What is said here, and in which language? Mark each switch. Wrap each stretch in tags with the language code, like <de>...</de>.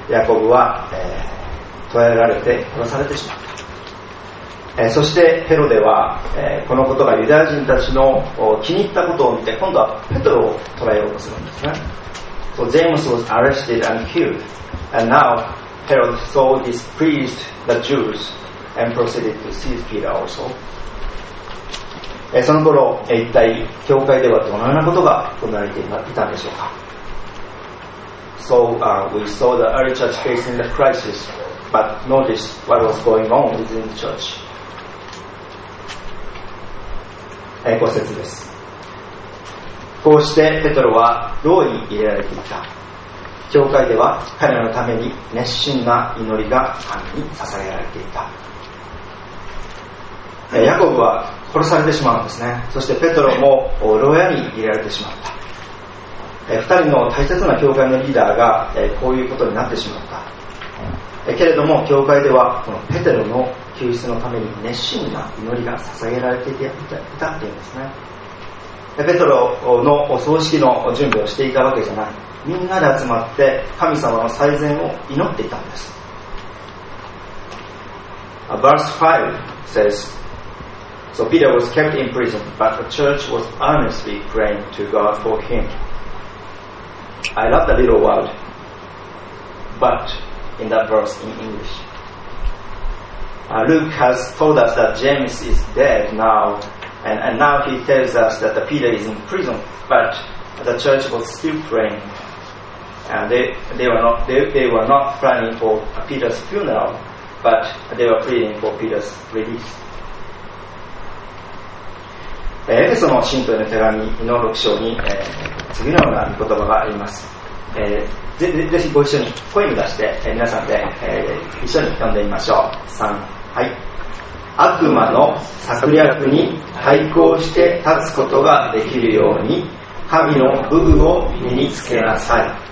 <ja>ヤコブは捕らえられて殺されてしまった。そしてヘロデは、このことがユダヤ人たちの気に入ったことを見て、今度はペトロを捕らえようとするんですね。</ja> <en>So James was arrested and killed, and now Herod so displeased the Jews and proceeded to seize Peter also.</en> <ja>その頃、一体教会ではどのようなことが行われていたんでしょうか。</ja> <en>So we saw the early church facing the crisis, but notice what was going on within the church.</en> <ja>5節です。こうしてペトロは牢に入れられていた。教会では彼のために熱心な祈りが神に捧げられていた。ヤコブは殺されてしまうんですね。そしてペトロも牢屋に入れられてしまった。 2人の大切な教会のリーダーがこういうことになってしまった。けれども教会ではこのペトロの救出のために熱心な祈りが捧げられていたっていうんですね。ペトロのお葬式の準備をしていたわけじゃない。みんなで集まって神様の最善を祈っていたんです。</ja> <en>Verse 5 says, So Peter was kept in prison, but the church was earnestly praying to God for him. I love the little word, but in that verse in English. Luke has told us that James is dead now, and now he tells us that Peter is in prison, but the church was still praying. And they were not planning for Peter's funeral, but they were praying for Peter's release.</en> <ja>エフェソの信徒への手紙の6章に、次のような言葉があります、ぜひご一緒に声に出して、皆さんで、一緒に読んでみましょう。 3、はい、悪魔の策略に対抗して立つことができるように神の武具を身につけなさい。</ja>